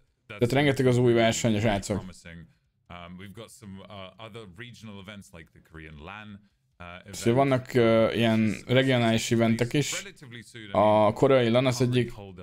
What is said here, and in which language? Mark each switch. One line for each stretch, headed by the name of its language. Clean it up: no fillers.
Hungarian: Tehát rengeteg az új verseny, a srácok.
English: We've got some other regional events like the Korean LAN
Hungarian: És vannak ilyen regionális eventek is. A koreai LAN az egyik.